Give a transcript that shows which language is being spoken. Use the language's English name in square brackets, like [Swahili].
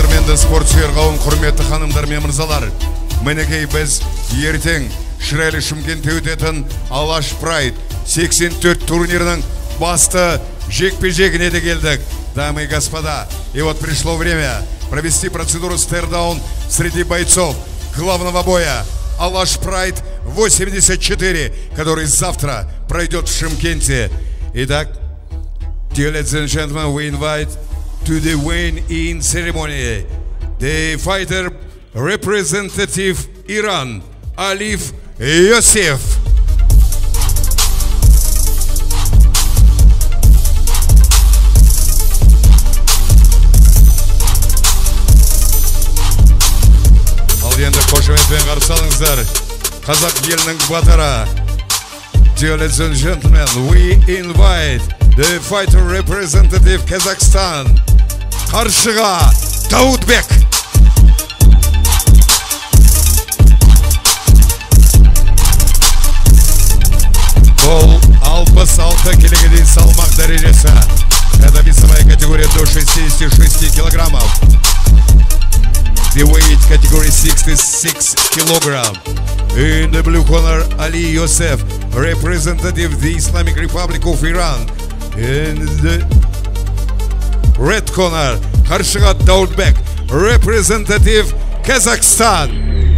[Kazakh] Спортсүйер қауым, құрметті ханымдар мен мырзалар, мінекей біз ертең Шырайлы Шымкентте өтетін Алаш Прайд 84 турнирінің басты жекпе-жегіне де келдік, [Russian] дамы и господа. И вот пришло время провести процедуру стердаун среди бойцов главного боя Алаш Прайд 84, который завтра пройдет в Шымкенте. [English] Итак, dear ladies and gentlemen, we invite to the weigh-in ceremony the fighter representative Iran, Alif Yosef. [Kazakh] Ал енді қошеметпен қарсы алыңыздар, қазақ елінің батыры. [English] Dear ladies and gentlemen, we invite the fighter representative Kazakhstan, қаршыға Даутбек. [Kazakh] Бұл 66 келіге дейін салмақ дәрежесі. [Russian] Это весовая категория до 66 килограммов. [English] The weight category 66 килограмм. In the blue corner, Али Йосеф, representative the Islamic Republic of Iran. In the red corner, Харшигат Даутбек, representative Kazakhstan.